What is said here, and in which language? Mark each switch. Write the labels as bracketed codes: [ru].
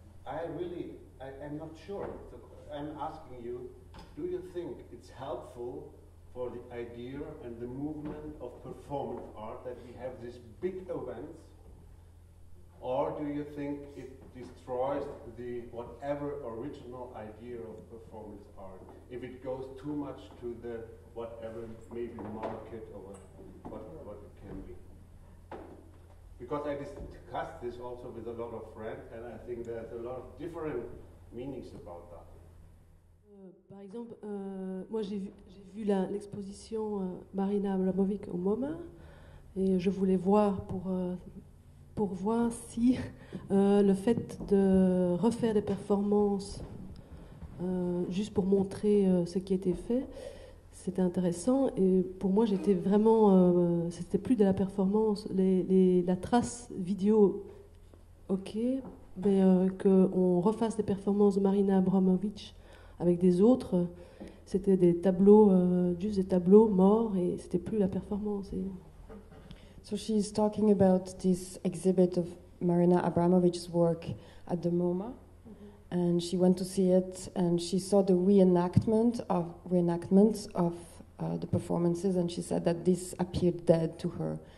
[en] I am not sure. So I'm asking you, do you think it's helpful for the idea and the movement of performance art that we have these big events, or do you think it destroys the whatever original idea of performance art if it goes too much to the whatever, maybe market or what it can be? Because I discussed this also with a lot of friends, and I think there's a lot of different meanings about that. [fr] Par exemple, moi j'ai vu l'exposition Marina Abramović au MoMA, et je voulais voir pour voir si le fait de refaire des performances juste pour montrer ce qui était fait, c'était intéressant, et pour moi j'étais vraiment, c'était plus de la performance, la trace vidéo, ok, mais qu'on refasse les performances de Marina Abramović avec des autres, c'était des tableaux, juste des tableaux morts, et c'était plus la performance. Et... [en] So she's talking about this exhibit of Marina Abramović's work at the MoMA. And she went to see it, and she saw the reenactments of the performances, and she said that this appeared dead to her.